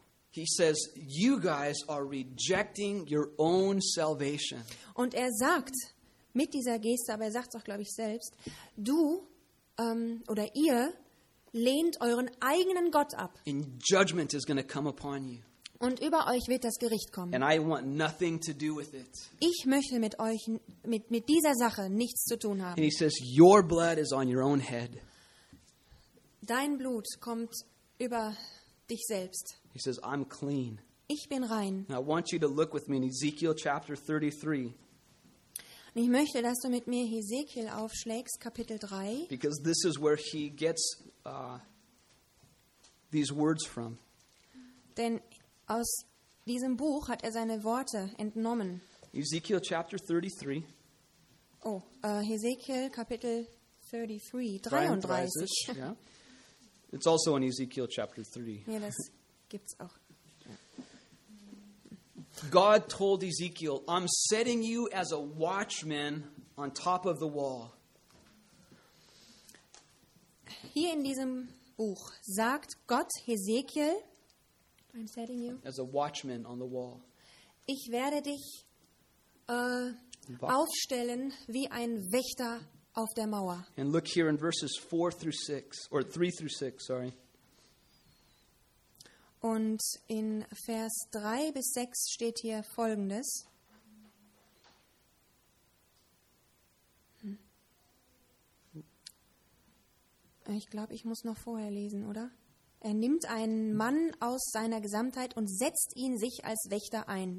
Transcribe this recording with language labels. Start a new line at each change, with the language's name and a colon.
English: He says, you guys are rejecting your own salvation.
German: Und er sagt mit dieser Geste, aber er sagt es auch, glaube ich, selbst, du oder ihr lehnt euren eigenen Gott ab.
English: And judgment is going to come upon you.
German: Und über euch wird das Gericht kommen.
English: And I want nothing to do with it.
German: Ich möchte mit euch mit dieser Sache nichts zu tun haben.
English: And he says, your blood is on your own head.
German: Dein Blut kommt über dich selbst.
English: He says, I'm clean.
German: Ich bin rein.
English: And I want you to look with me in Ezekiel chapter 33.
German: Und ich möchte, dass du mit mir Ezekiel aufschlägst, Kapitel 3.
English: Because this is where he gets these words from.
German: Denn aus diesem Buch hat er seine Worte entnommen.
English: Ezekiel chapter 33.
German: Oh, Ezekiel Kapitel 33. 33.
English: Yeah. It's also in Ezekiel chapter 3.
German: Ja, das gibt's auch.
English: God told Ezekiel, I'm setting you as a watchman on top of the wall.
German: Hier in diesem Buch sagt Gott Ezekiel,
English: I'm setting you as a watchman on the wall.
German: Ich werde dich aufstellen wie ein Wächter auf der Mauer.
English: And look here in verses 4 through 6 or 3 through 6, sorry.
German: Und in Vers 3 bis 6 steht hier Folgendes. Ich glaube, ich muss noch vorher lesen, oder? Er nimmt einen Mann aus seiner Gesamtheit und setzt ihn sich als Wächter ein.